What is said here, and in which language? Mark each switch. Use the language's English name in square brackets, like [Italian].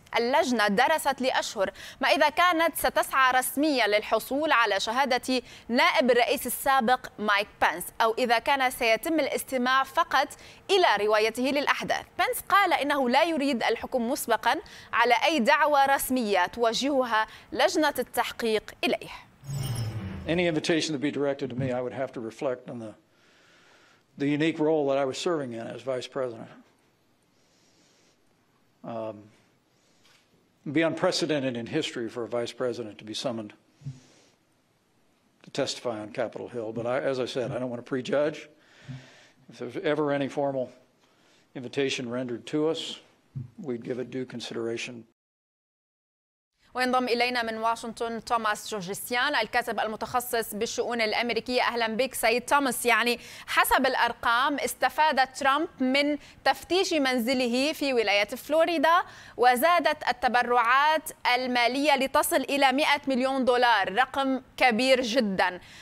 [Arabic] اللجنة درست لأشهر ما إذا كانت ستسعى رسميا للحصول على شهادة نائب الرئيس السابق مايك بانس، أو إذا كان سيتم الاستماع فقط إلى روايته للأحداث. بانس قال إنه لا يريد الحكم مسبقا على أي دعوة رسمية توجهها لجنة التحقيق إليه. [English] Any invitation to be directed to me, I would have to reflect on the unique role that I was serving in as vice president. Be unprecedented in history for a vice president to be summoned to testify on Capitol Hill. But I, as I said, I don't want to prejudge. If there's ever any formal invitation rendered to us, we'd give it due consideration. [Arabic] وينضم إلينا من واشنطن توماس جورجسيان، الكاتب المتخصص بالشؤون الأمريكية. أهلا بك سيد توماس. يعني حسب الأرقام استفاد ترامب من تفتيش منزله في ولاية فلوريدا، وزادت التبرعات المالية لتصل إلى 100 مليون دولار، رقم كبير جدا.